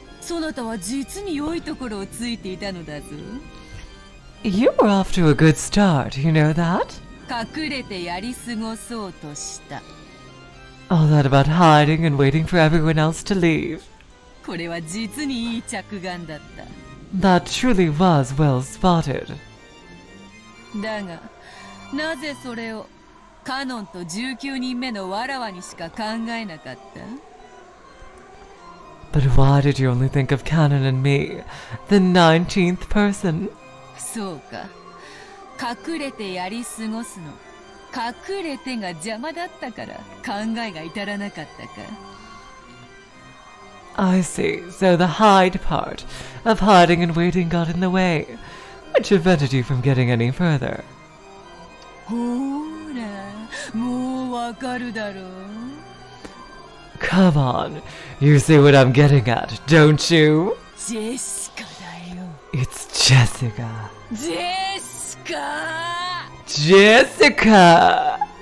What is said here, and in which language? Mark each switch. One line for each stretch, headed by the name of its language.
English: You were off to a good start, you know that?
Japanese: 隠れてやり過ごそうとした。
English: All that about hiding and waiting for everyone else to leave.
Japanese: これは実にいい着眼だった。
English: That truly was well spotted.
Japanese: だが、なぜそれをカノンと19人目のわらわにしか考えなかった
English: ?But why did you only think of Kanon and me, the 19th person?
Japanese: そうか。隠れてやり過ごすの隠れてが邪魔だったから考えが至らなかったか
English: I see, so the hide part of hiding and waiting got in the way which prevented you from getting any further
Japanese: ほーら、もうわかるだろう
English: Come on, you see what I'm getting at, don't you?
Japanese: ジェシカだよ
English: It's Jessica
Japanese: ジェシカ
English: Jessica!